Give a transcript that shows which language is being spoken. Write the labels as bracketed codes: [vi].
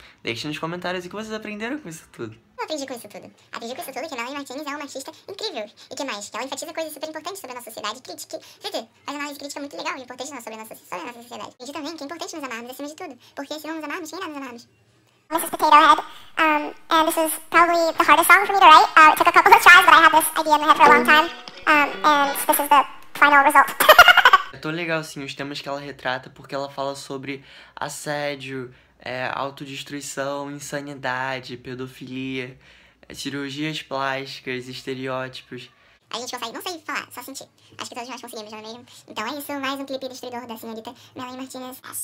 [pt] Deixe nos comentários o que vocês aprenderam com isso tudo. Eu aprendi com isso tudo. Aprendi com isso tudo que a Melanie Martins é uma artista incrível. E que mais? Que ela enfatiza coisas super importantes sobre a nossa sociedade. Critique. Quer dizer, faz análise crítica muito legal e importante sobre a nossa sociedade. E também que é importante nos amarmos acima de tudo. Porque se não nos amarmos, quem irá nos amarmos? [en] This is Potato Head. And this is probably the hardest song for me to write. It took a couple of tries, but I had this idea in my head for a long time. And this is the final result. [pt] É tão legal, assim, os temas que ela retrata, porque ela fala sobre assédio, autodestruição, insanidade, pedofilia, cirurgias plásticas, estereótipos. A gente consegue, não sei falar, só sentir. Acho que todos nós conseguimos, não é mesmo? Então é isso, mais um clipe destruidor da senhorita Melanie Martinez.